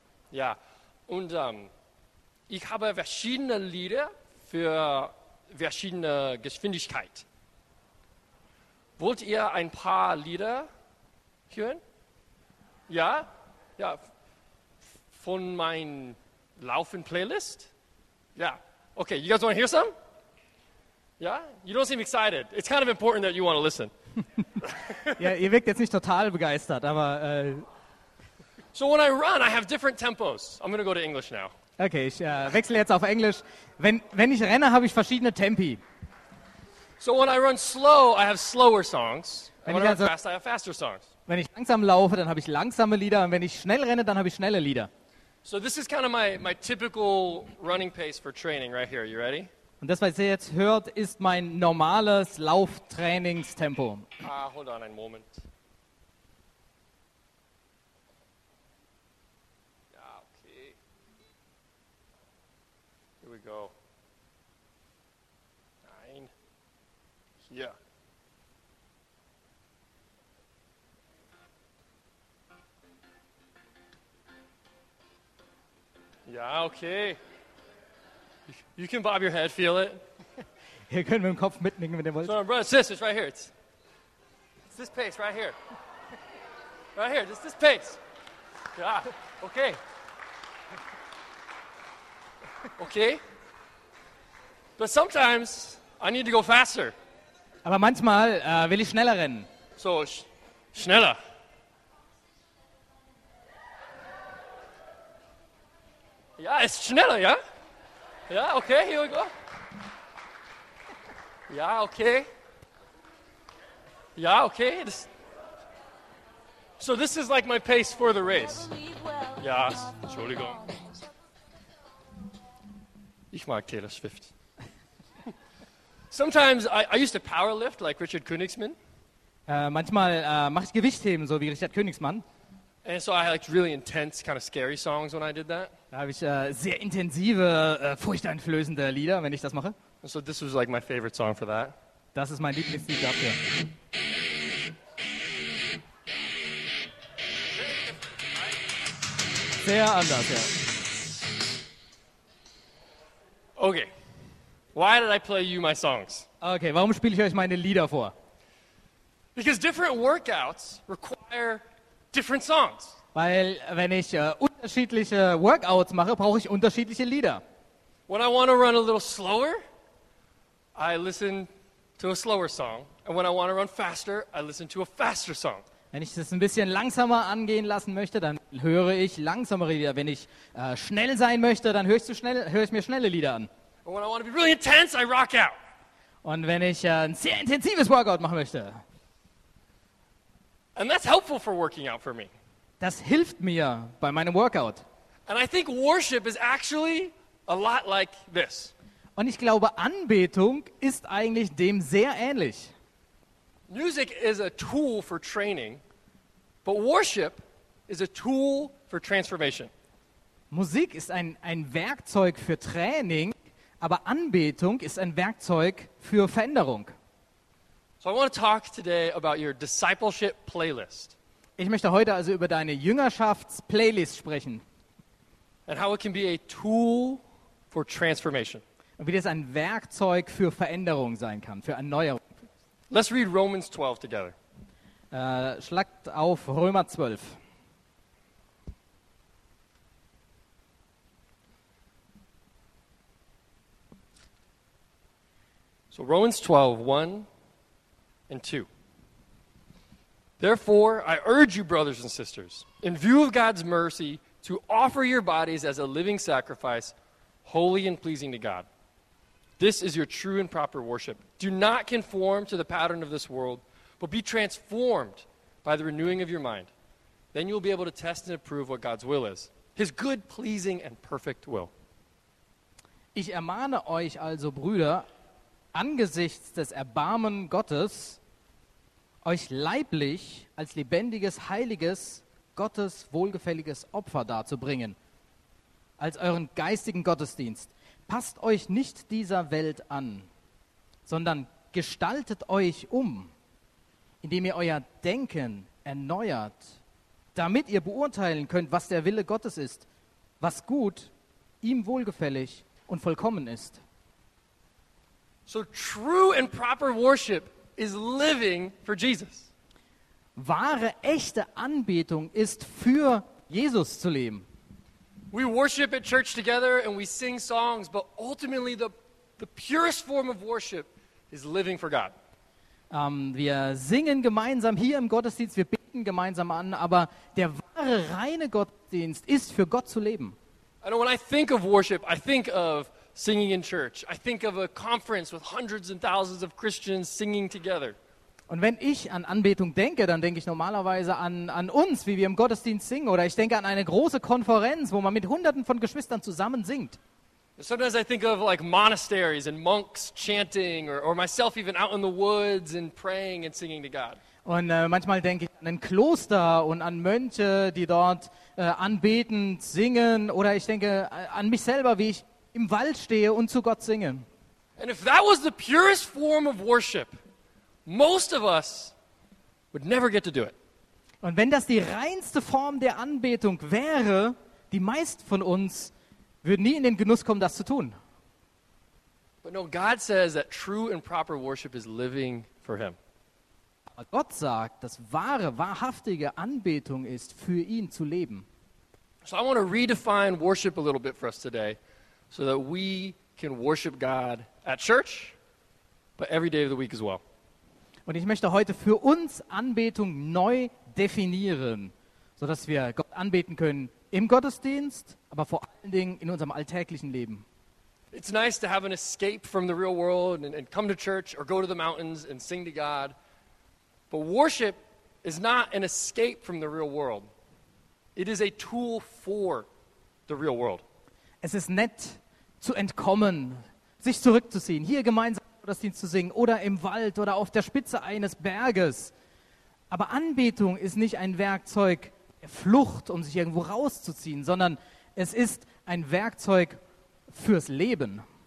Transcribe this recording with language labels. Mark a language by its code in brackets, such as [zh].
[de] Ja, und ich habe verschiedene Lieder für verschiedene Geschwindigkeit. Wollt ihr ein paar Lieder hören? Ja? Ja, von meinem Laufen-Playlist? [en] Ja, okay, you guys want to hear some? Yeah, you don't seem excited. It's kind of important that you want to listen. [de] Yeah, ihr wirkt jetzt nicht total begeistert, aber. [en] So when I run, I have different tempos. I'm going to go to English now. [de] Okay, ich wechsle jetzt auf Englisch. Wenn ich renne, habe ich verschiedene Tempi. [en] So when I run slow, I have slower songs. When I run fast, I have faster songs. [de] Wenn ich langsam laufe, dann habe ich langsame Lieder. Und wenn ich schnell renne, dann habe ich schnelle Lieder. [en] So this is kind of my typical running pace for training right here. You ready? [de] Und das, was ihr jetzt hört, ist mein normales Lauftrainingstempo. [en] Ah, hold on [de] einen Moment. Ja, okay. [en] Here we go. [de] Nein. Hier. Ja, okay. [en] You can bob your head, feel it. [de] Ihr könnt mit dem Kopf mitnicken, wenn ihr wollt. [en] So, brother, sis, it's right here. It's this pace right here. Right here, just this pace. Yeah, okay. Okay. But sometimes I need to go faster. [de] Aber manchmal will ich schneller rennen. So, schneller. Ja, es ist schneller, ja? Ja, okay, [en] here we go. [de] Ja, okay. Ja, okay. [en] Das, so this is like my pace for the race. [de] Ja, Entschuldigung. Ich mag Taylor Swift. [en] Sometimes I used to power lift like Richard Königsmann. [de] Manchmal mache ich Gewichtheben, so wie Richard Königsmann. [en] And so I liked really intense, kind of scary songs when I did that. [de] Da habe ich sehr intensive, furchteinflößende Lieder, wenn ich das mache. [en] And so this was like my favorite song for that. [de] Das ist mein Lieblingslied dafür. Sehr anders, ja. Okay. [en] Why did I play you my songs? [de] Okay, warum spiele ich euch meine Lieder vor? [en] Because different workouts require different songs. [de] Weil wenn ich unterschiedliche Workouts mache, brauche ich unterschiedliche Lieder. [en] When I want to run a little slower, I listen to a slower song. And when I want to run faster, I listen to a faster song. [de] Wenn ich das ein bisschen langsamer angehen lassen möchte, dann höre ich langsamere Lieder. Wenn ich schnell sein möchte, dann höre ich mir schnelle Lieder an. [en] And when I want to be really intense, I rock out. [de] Und wenn ich ein sehr intensives Workout machen möchte. [en] And that's helpful for working out for me. [de] Das hilft mir bei meinem Workout. [en] And I think worship is actually a lot like this. [de] Und ich glaube, Anbetung ist eigentlich dem sehr ähnlich. [en] Music is a tool for training, but worship is a tool for transformation. [de] Musik ist ein Werkzeug für Training, aber Anbetung ist ein Werkzeug für Veränderung. [en] So I want to talk today about your discipleship playlist. [de] Ich möchte heute also über deine Jüngerschafts-Playlist sprechen. [en] And how it can be a tool for transformation. [de] Und wie das ein Werkzeug für Veränderung sein kann, für Erneuerung. [en] Let's read Romans 12 together. [de] Schlagt auf Römer 12. [en] So Romans 12, 1 and 2. Therefore, I urge you, brothers and sisters, in view of God's mercy, to offer your bodies as a living sacrifice, holy and pleasing to God. This is your true and proper worship. Do not conform to the pattern of this world, but be transformed by the renewing of your mind. Then you will be able to test and approve what God's will is, his good, pleasing, and perfect will. [de] Ich ermahne euch also, Brüder, angesichts des Erbarmen Gottes, euch leiblich als lebendiges, heiliges, Gottes wohlgefälliges Opfer darzubringen, als euren geistigen Gottesdienst. Passt euch nicht dieser Welt an, sondern gestaltet euch um, indem ihr euer Denken erneuert, damit ihr beurteilen könnt, was der Wille Gottes ist, was gut, ihm wohlgefällig und vollkommen ist. [en] So true and proper worship is living for Jesus. [de] Wahre, echte Anbetung ist, für Jesus zu leben. [en] We worship at church together and we sing songs, but ultimately the purest form of worship is living for God. [de] Wir singen gemeinsam hier im Gottesdienst, wir beten gemeinsam an, aber der wahre, reine Gottesdienst ist, für Gott zu leben. [en] And when I think of worship, I think of singing in church. I think of a conference with hundreds and thousands of Christians singing together. [de] Und wenn ich an Anbetung denke, dann denke ich normalerweise an uns, wie wir im Gottesdienst singen. Oder ich denke an eine große Konferenz, wo man mit Hunderten von Geschwistern zusammen singt. [en] Sometimes I think of like monasteries and monks chanting or myself even out in the woods and praying and singing to God. [de] Und manchmal denke ich an ein Kloster und an Mönche, die dort anbeten, singen. Oder ich denke an mich selber, wie ich im Wald stehe und zu Gott singe. [en] And if that was the purest form of worship, most of us would never get to do it. [de] Und wenn das die reinste Form der Anbetung wäre, die meisten von uns würden nie in den Genuss kommen, das zu tun. [en] But no, God says that true and proper worship is living for him. [de] Gott sagt, dass wahre, wahrhaftige Anbetung ist, für ihn zu leben. [en] So I want to redefine worship a little bit for us today, so that we can worship God at church, but every day of the week as well. [de] Und ich möchte heute für uns Anbetung neu definieren, so dass wir Gott anbeten können im Gottesdienst, aber vor allen Dingen in unserem alltäglichen Leben. [en] It's nice to have an escape from the real world and come to church or go to the mountains and sing to God. But worship is not an escape from the real world. It is a tool for the real world. [de] Es ist nett zu entkommen, sich zurückzuziehen, hier gemeinsam Gottesdienst zu singen oder im Wald oder auf der Spitze eines Berges. Aber Anbetung ist nicht ein Werkzeug der Flucht, um sich irgendwo rauszuziehen, sondern es ist ein Werkzeug fürs Leben.